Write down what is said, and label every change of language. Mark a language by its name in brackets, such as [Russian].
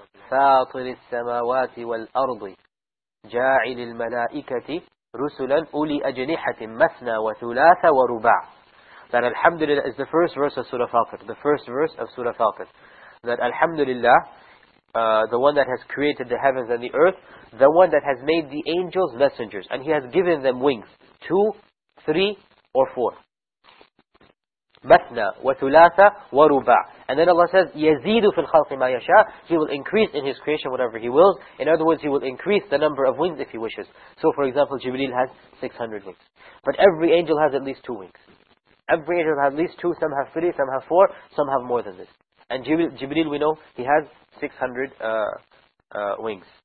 [Arabic] فاطر السماوات والأرض جاعل الملائكة رسلا أولي أجنحة مثنى وثلاثة ورباع. [English] That Alhamdulillah is the first verse of Surah Fatir. The first verse of Surah Fatir. That Alhamdulillah, the one that has created the heavens and the earth, the one that has made the angels messengers, and he has given them wings. 2, 3, or 4. [Arabic] مَثْنَا وَثُلَاثَ وَرُبَعَ. [English] And then Allah says, [Arabic] يَزِيدُ فِي الْخَلْقِ مَا يَشَاءَ. [English] He will increase in His creation whatever He wills. In other words, He will increase the number of wings if He wishes. So for example, Jibreel has 600 wings. But every angel has at least 2 wings. Every angel has at least 2, some have 3, some have 4, some have more than this. And Jibreel, we know, he has 600 wings.